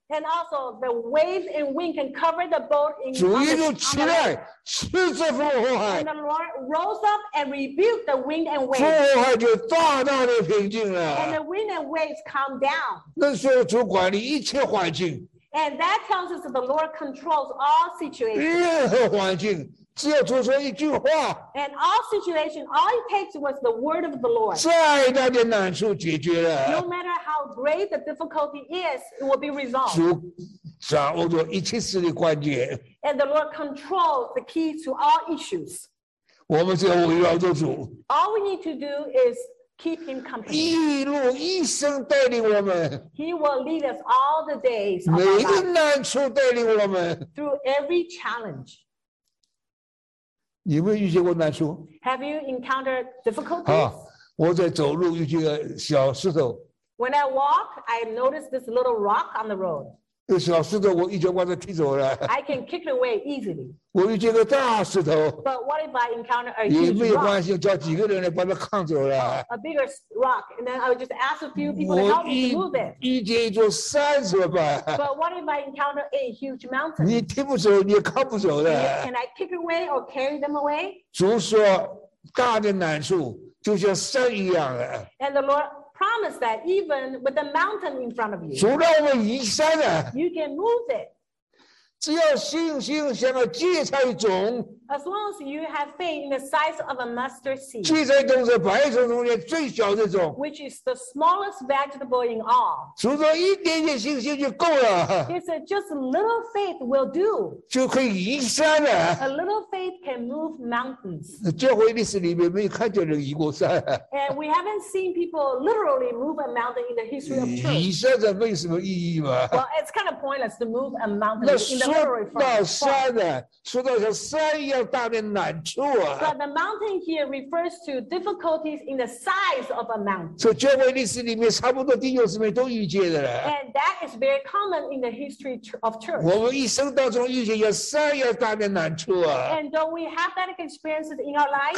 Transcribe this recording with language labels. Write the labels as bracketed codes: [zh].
[en] And also the waves and wind can cover the boat in. [zh] 主耶稣起来斥责风和海。 [en] And the Lord rose up and rebuked the wind and waves. [zh] 风和海就大大的平静了。 [en] And the wind and waves calmed down. [zh] 那时候主管理一切环境。 [en] And that tells us that the Lord controls all situations. [zh] 任何环境。只要做出一句话 [en] ，and all situation, all it takes was the word of the Lord. [zh] 再大的难处解决了 [en] ，no matter how great the difficulty is, it will be resolved. [zh] 主掌握着一切事的关键 [en] ，and the Lord controls the key to all issues. [zh] 我们只要围绕着主 [en] ，all we need to do is keep Him company. [zh] 一路一生带领我们 [en] ，He will lead us all the days. [zh] 每个难处带领我们 [en] ，through every challenge. [zh] 你有没有遇见过难处 [en] ？Have you encountered difficulties？ [zh] 我在走路遇见个小石头。 [en] When I walk, I notice this little rock on the road. [zh] 这小石头我一脚把它踢走了。 [en] I can kick it away easily. [zh] 我遇见个大石头。 [en] But what if I encounter a huge rock？ [zh] 也没有关系，叫几个人来把它扛走了。 [en] A bigger rock, and then I would just ask a few people to help me move it. [zh] 遇见一座山怎么办 [en] ？But what if I encounter a huge mountain？ [zh] 你踢不走，你也扛不走的。 [en] Can I kick away or carry them away？ [zh] 主说，大的难处就像山一样的。 [en] And the Lord promised that even with a mountain in front of you. [zh] 主让我们移山的。 [en] You can move it. [zh] 只要信心像个芥菜种。 [en] As long as you have faith in the size of a mustard seed. [zh] 芥菜种是百种中间最小的种。 [en] Which is the smallest vegetable in all. [zh] 主说一点点信心就够了。 [en] It's just a little faith will do. [zh] 就可以移山了。 [en] A little faith can move mountains. [zh] 教会历史里面没有看见人移过山。 [en] And we haven't seen people literally move a mountain in the history of church. [zh] 移山这没什么意义吗？ [en] Well, it's kind of pointless to move a mountain in the literary form. [zh] 那说到山呢？说到像山。 [en] But the mountain here refers to difficulties in the size of a mountain. So, [zh] 教会历史里面差不多弟兄姊妹都遇见的了。 [en] And that is very common in the history of church. [zh] 我们一生当中遇见像山一样大的难处啊。 [en] And don't we have that experience in our life?